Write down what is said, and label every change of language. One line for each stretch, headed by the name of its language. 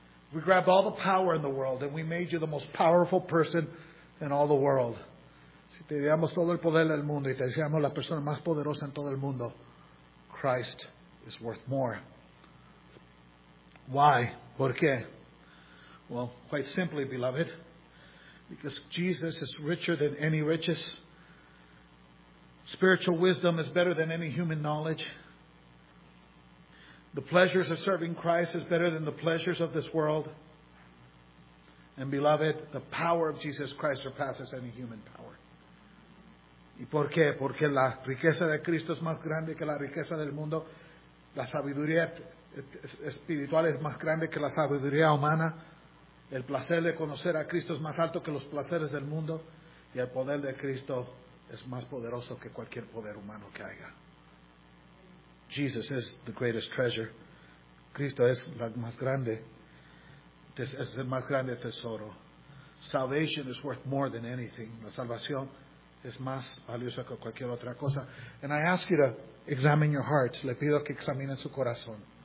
English: If we grabbed all the power in the world and we made you the most powerful person in all the world.
Spanish: Si te diéramos todo el poder del mundo y te hiciéramos la persona más poderosa en todo el mundo,
English: Christ is worth more. Why?
Spanish: ¿Por qué?
English: Well, quite simply, beloved, because Jesus is richer than any riches. Spiritual wisdom is better than any human knowledge. The pleasures of serving Christ is better than the pleasures of this world. And beloved, the power of Jesus Christ surpasses any human power.
Spanish: ¿Y por qué? Porque la riqueza de Cristo es más grande que la riqueza del mundo. La sabiduría espiritual es más grande que la sabiduría humana. El placer de conocer a Cristo es más alto que los placeres del mundo. Y el poder de Cristo es más poderoso que cualquier poder humano que haya.
English: Jesus is the greatest treasure.
Spanish: Cristo es la más grande.
English: This is the
Spanish: más grande
English: tesoro. Salvation is worth more than anything.
Spanish: La salvación es más valiosa que cualquier otra cosa.
English: And I ask you to examine your hearts.
Spanish: Le pido que examinen su corazón.